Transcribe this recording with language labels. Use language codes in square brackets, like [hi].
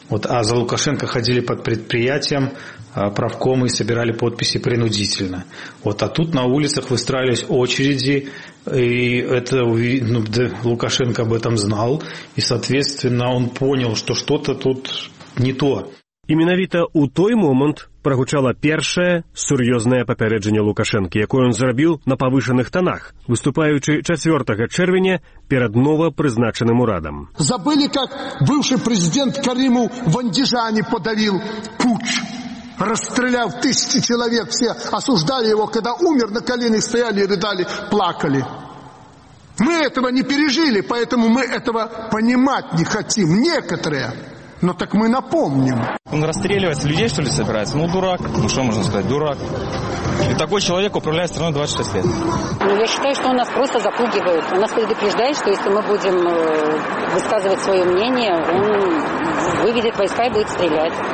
[ru] Вот, а за Лукашенко ходили под предприятием, правкомы собирали подписи принудительно. Вот, а тут на улицах выстраивались очереди, и это, ну, Лукашенко об этом знал, и, соответственно, он понял, что что-то тут не то. [be] Именавіта у той момант прагучала першае сур'ёзнае папярэджанне Лукашэнкі, якое ён зрабіў на павышаных танах, выступаючы 4 чэрвеня перад новапрызначаным урадам. Забылі, як бывшы прэзідэнт Карымаў в Андзіжане падавіў пуч, расстраляў тысячы чалавек, все асуждалі яго, когда умер, на калені стаялі, рыдалі, плакалі. [ru] Мы этого не пережылі, поэтому мы этого понимать не хотим. Некоторые. Но так мы напомним. Он расстреливается, людей что ли собирается? Ну, дурак. Ну, что можно сказать? Дурак. И такой человек управляет страной 26 лет. Ну, я считаю, что он нас просто запугивает. Он нас предупреждает, что если мы будем высказывать свое мнение, он выведет войска и будет стрелять.